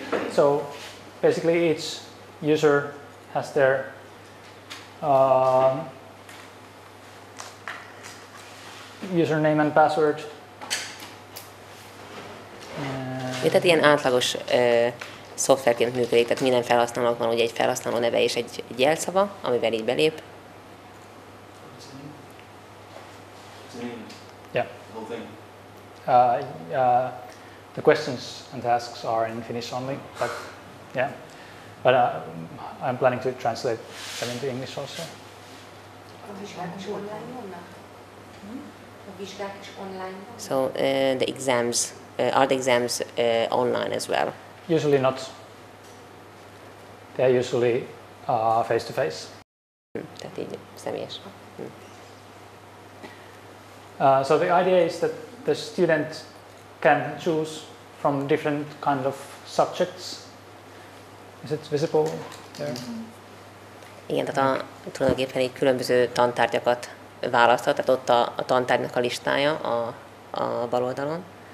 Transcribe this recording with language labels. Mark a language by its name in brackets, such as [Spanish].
[English] So, basically each user has their username and password. [Hungarian] Mit tehát ilyen átlagos szoftverként működik, tehát minden felhasználónak van ugye egy felhasználó neve és egy jelszava, amivel így belép. [English] Yeah. The questions and tasks are in Finnish only, but yeah. But I'm planning to translate them into English also. [Hungarian] A vizsgák is online vannak? A vizsgák is online vannak? [English] So the exams. Are the exams online as well? Usually not. They are usually face to face. That is semi-ish. So the idea is that the student can choose from different kind of subjects. Is it visible there? [Hungarian] Igen, tehát tulajdonképpen egy különböző tantárgyakat választhat, tehát ott a tantárgynak a listája a bal oldalon.